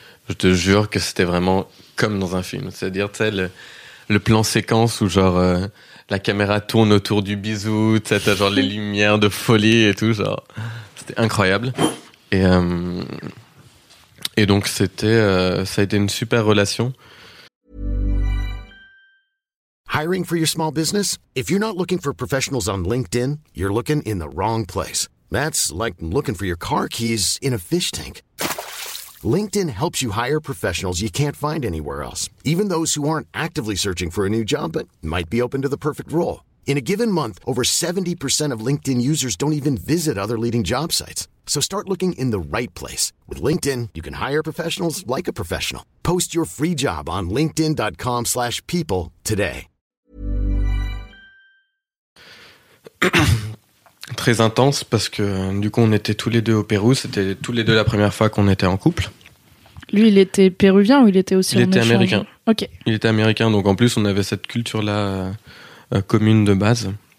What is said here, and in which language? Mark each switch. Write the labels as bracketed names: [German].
[French] Je te jure que c'était vraiment comme dans un film. C'est-à-dire, tu sais, le plan séquence où, genre, la caméra tourne autour du bisou, tu sais, t'as genre les lumières de folie et tout, genre, c'était incroyable. Et donc, ça a été une super relation. [English] Hiring for your small business? If you're not looking for professionals on LinkedIn, you're looking in the wrong place. That's like looking for your car keys in a fish tank. LinkedIn helps you hire professionals you can't find anywhere else, even those who aren't actively searching for a new job but might be open to the perfect role. In a given month, over 70% of LinkedIn users don't even visit other leading job sites. So start looking in the right place. With LinkedIn, you can hire professionals like a professional. Post your free job on linkedin.com/people today. [French] Très intense parce que du coup on était tous les deux au Pérou, c'était tous les deux la première fois qu'on était en couple. Lui il était péruvien ou il était aussi Il était américain. Ok. Il était américain, donc en plus on avait cette culture-là commune de base.